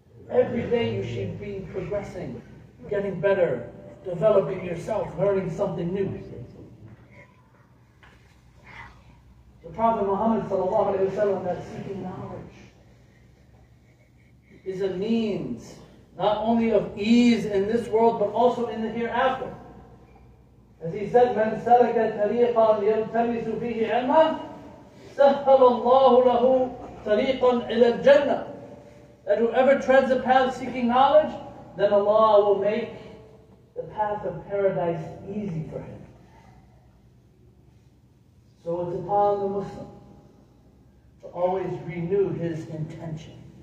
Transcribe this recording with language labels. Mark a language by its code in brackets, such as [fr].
[en] Every day you should be progressing, getting better, developing yourself, learning something new. The Prophet Muhammad sallallahu alayhi wa sallam, that seeking knowledge is a means not only of ease in this world but also in the hereafter. As he said, [ar] من سلك طريقا يلتمس فيه علما سهل الله له طريقا إلى الجنة. [en] That whoever treads a path seeking knowledge, then Allah will make the path of paradise easy for him. So it's upon the Muslim to always renew his intention.